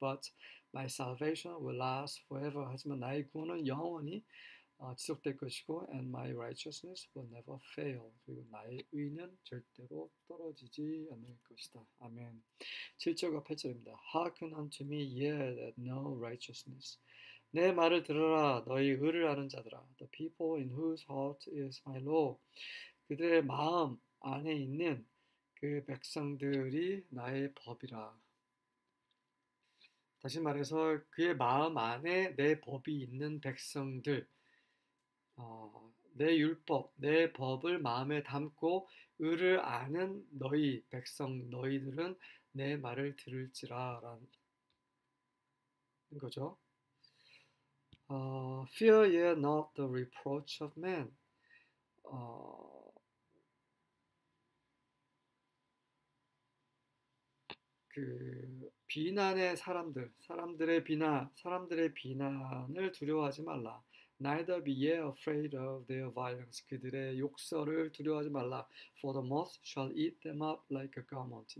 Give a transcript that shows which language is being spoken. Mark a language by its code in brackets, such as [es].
[en] But my salvation will last forever. [ko] 하지만 나의 구원은 영원히 지속될 것이고, [en] And my righteousness will never fail. [ko] 그리고 나의 의는 절대로 떨어지지 않을 것이다. 아멘. 7절과 8절입니다. [en] Hearken unto me, ye that know righteousness. [ko] 내 말을 들어라, 너희 의를 아는 자들아. [en] The people in whose heart is my law. [ko] 그들의 마음 안에 있는 그 백성들이 나의 법이라. 다시 말해서, 그의 마음 안에 내 법이 있는 백성들. 내 율법, 내 법을 마음에 담고 의를 아는 너희 백성, 너희들은 내 말을 들을지라라는 거죠. [en] Fear ye not the reproach of man. [ko] 그 비난의 사람들의 비난을 두려워하지 말라. [en] Neither be ye afraid of their violence. [ko] 그들의 욕설을 두려워하지 말라. [en] For the moth shall eat them up like a garment.